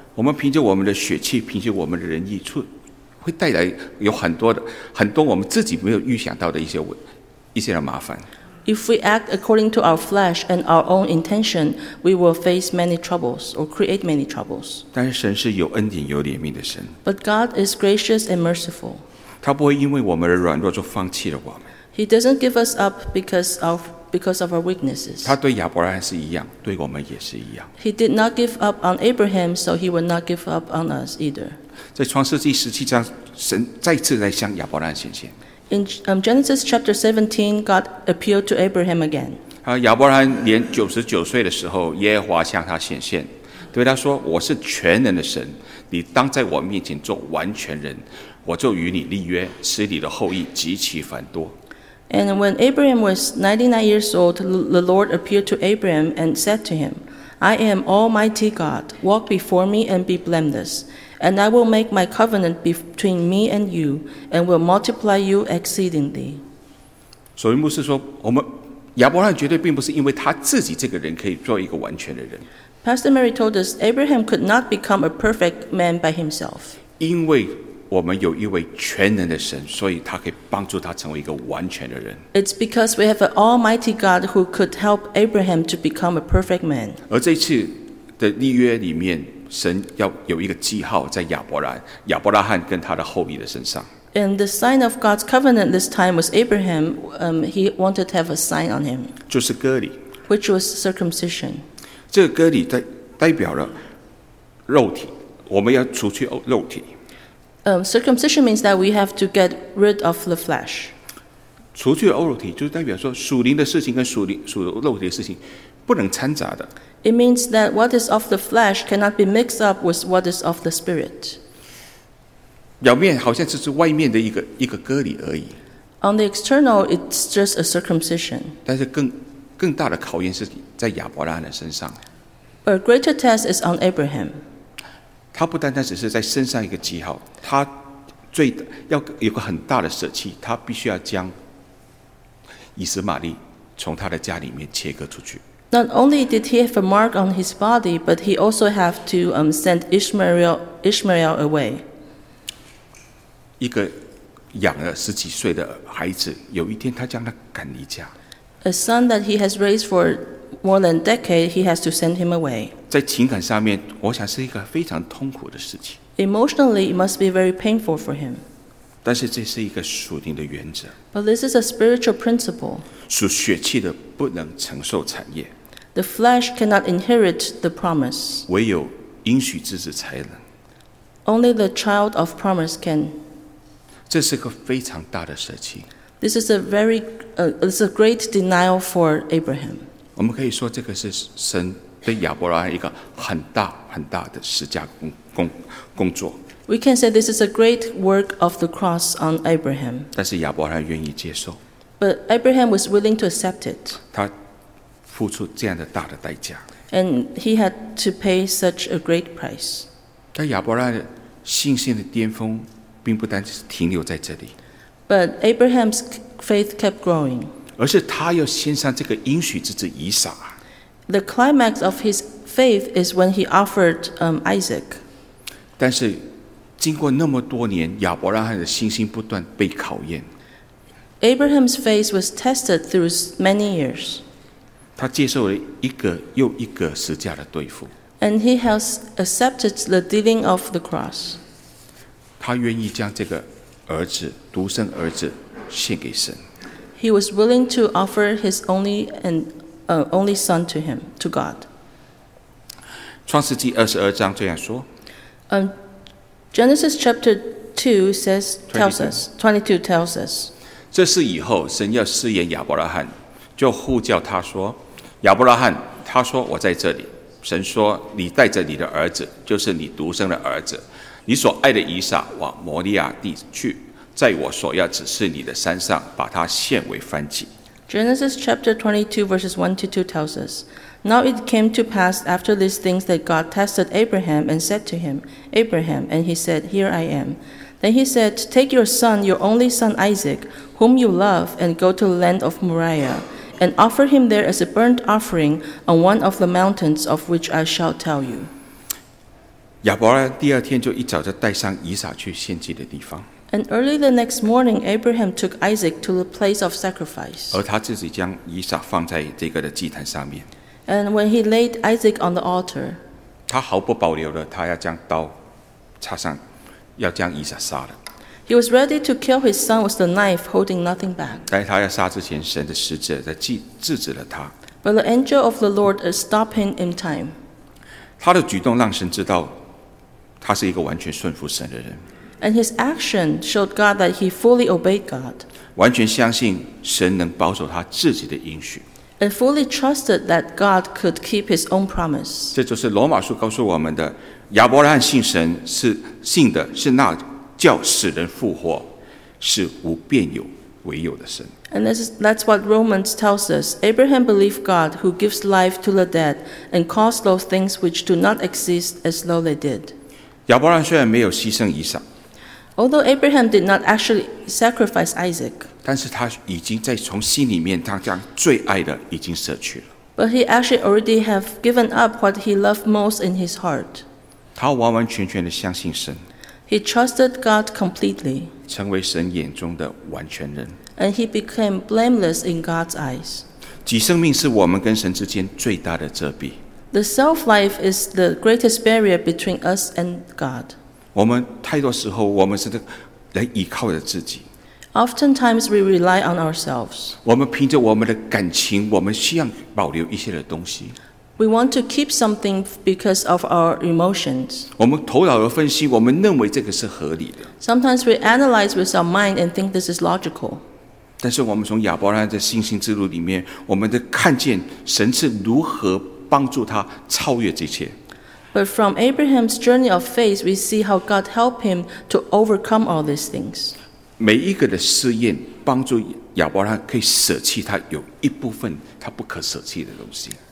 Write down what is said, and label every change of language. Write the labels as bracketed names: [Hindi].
[Chinese] 我们凭着我们的血气，凭着我们的仁义处会带来有很多我们自己没有预想到的一些的麻烦。 [English] If we act according to our flesh and our own intention, we will face many troubles or create many troubles. [Chinese] 但是神是有恩典有怜悯的神。 [English] But God is gracious and merciful. [Chinese] 他不会因为我们的软弱就放弃了我们。 [English] He doesn't give us up because of our weaknesses. [Chinese] 他对亚伯拉罕是一样，对我们也是一样。 [English] He did not give up on Abraham, so he will not give up on us either. [Chinese] 在创世纪十七章，神再次来向亚伯拉罕显现。 [English] In Genesis chapter 17, God appealed to Abraham again. [Chinese] 亚伯拉罕年99岁的时候，耶和华向他显现，对他说：“我是全能的神，你当在我面前做完全人，我就与你立约，使你的后裔极其繁多。” [English] And when Abraham was 99 years old, the Lord appeared to Abraham and said to him, I am Almighty God. Walk before me and be blameless. And I will make my covenant between me and you and will multiply you exceedingly. [Chinese] 所以牧师说，我们亚伯拉罕绝对并不是因为他自己这个人可以做一个完全的人。 [English] Pastor Mary told us, Abraham could not become a perfect man by himself. [Chinese] 因为我们有一位全能的神，所以他可以帮助他成为一个完全的人。 [English] It's because we have an Almighty God who could help Abraham to become a perfect man. [Chinese] 而这次的立约里面，神要有一个记号在亚伯拉罕跟他的后裔的身上。 [English] And the sign of God's covenant this time was Abraham. He wanted to have a sign on him. [Chinese] 就是割礼。 [English] Which was circumcision. [Chinese] 这个割礼代表了肉体，我们要除去肉体。 [English] Circumcision means that we have to get rid of the flesh. [Chinese] 除去了肉体，就代表说属灵的事情跟属肉体的事情不能掺杂的。 [English] It means that what is of the flesh cannot be mixed up with what is of the spirit. [Chinese] 表面好像只是外面的一个割礼而已。 [English] On the external, it's just a circumcision. [Chinese] 但是更大的考验是在亚伯拉罕的身上。 [English] A greater test is on Abraham. [Chinese] 他不单单只是在身上一个记号，他最要有个很大的舍弃，他必须要将以实玛利从他的家里面切割出去。 [English] Not only did he have a mark on his body, but he also have to send Ishmael away. [Chinese] 一个养了十几岁的孩子，有一天他将他赶离家。 [English] A son that he has raised for more than decade, he has to send him away. [Chinese] 在情感上面，我想是一个非常痛苦的事情。 [English] Emotionally, it must be very painful for him. [Chinese] 但是这是一个属灵的原则。 [English] But this is a spiritual principle. [Chinese] 属血气的不能承受产业。 [English] The flesh cannot inherit the promise. [Chinese] 唯有应许之子才能。 [English] Only the child of promise can. [Chinese] 这是个非常大的舍弃。 [English] This is a very, it's a great denial for Abraham. [Chinese] 我们可以说这个是神对亚伯拉罕一个很大很大的十架工作。 [English] We can say this is a great work of the cross on Abraham. [Chinese] 但是亚伯拉罕愿意接受。 [English] But Abraham was willing to accept it. [Chinese] 他付出这样的大的代价。 [English] And he had to pay such a great price. [Chinese] 但亚伯拉罕的信心的巅峰并不单只是停留在这里。 [English] But Abraham's faith kept growing. [Chinese] 而是他要献上这个应许之子以撒。 [English] The climax of his faith is when he offered Isaac. [Chinese] 但是经过那么多年，亚伯拉罕的信心不断被考验。 [English] Abraham's faith was tested through many years. [Chinese] 他接受了一个又一个十架的对付。 [English] And he has accepted the dealing of the cross. [Chinese] 他愿意将这个儿子，独生儿子献给神。 [English] He was willing to offer his only and only son to him, to God. [Chinese] 创世纪二十二章这样说。 [English] Genesis chapter 2 says, tells us, 22 tells us. [Chinese] 这事以后，神要试验亚伯拉罕，就呼叫他说，亚伯拉罕，他说，我在这里。神说，你带着你的儿子，就是你独生的儿子，你所爱的以撒，往摩利亚地去，在我所要指示你的山上，把他献为燔祭。 [English] Genesis chapter 22 verses 1 to 2 tells us, Now it came to pass after these things that God tested Abraham and said to him, Abraham, and he said, Here I am. Then he said, Take your son, your only son Isaac, whom you love, and go to the land of Moriah, and offer him there as a burnt offering on one of the mountains of which I shall tell you. [Chinese] 亚伯拉罕第二天就一早就带上以撒去献祭的地方。 [English] And early the next morning, Abraham took Isaac to the place of sacrifice. [Chinese] 而他自己将以撒放在这个的祭坛上面。 [English] And when he laid Isaac on the altar, [Chinese] 他毫不保留的，他要将刀插上，要将以撒杀了。 [English] He was ready to kill his son with the knife, holding nothing back. [Chinese] 在他要杀之前，神的使者在制止了他。 [English] But the angel of the Lord is stopping in time. [Chinese] 他的举动让神知道，他是一个完全顺服神的人。 [English] And his action showed God that he fully obeyed God. [Chinese] 完全相信神能保守他自己的应许。 [English] And fully trusted that God could keep his own promise. [Chinese] 这就是罗马书告诉我们的，亚伯拉罕信神是信的是那叫死人复活，是无变有为有的神。 [English] And that's what Romans tells us. Abraham believed God who gives life to the dead and calls those things which do not exist as though they did. [Chinese] 亚伯拉罕虽然没有牺牲以撒。 [English] Although Abraham did not actually sacrifice Isaac, [Chinese] 但是他已经在从心里面，他将最爱的已经舍去了。 [English] But he actually already have given up what he loved most in his heart. [Chinese] 他完完全全的相信神。 [English] He trusted God completely. [Chinese] 成为神眼中的完全人。 [English] And he became blameless in God's eyes. [Chinese] 己生命是我们跟神之间最大的遮蔽。 [English] The self-life is the greatest barrier between us and God. [Chinese] 我们太多时候，我们是来依靠着自己。 [English] Oftentimes we rely on ourselves. [Chinese] 我们凭着我们的感情，我们希望保留一些的东西。 [English] We want to keep something because of our emotions. [Chinese] 我们头脑的分析，我们认为这个是合理的。 [English] Sometimes we analyze with our mind and think this is logical. [Chinese] 但是我们从亚伯拉罕的信心之路里面，我们都看见神是如何帮助他超越这些。 [English] But from Abraham's journey of faith, we see how God helped him to overcome all these things. [Chinese] 每一个的试验帮助亚伯拉罕可以舍弃他有一部分他不可舍弃的东西。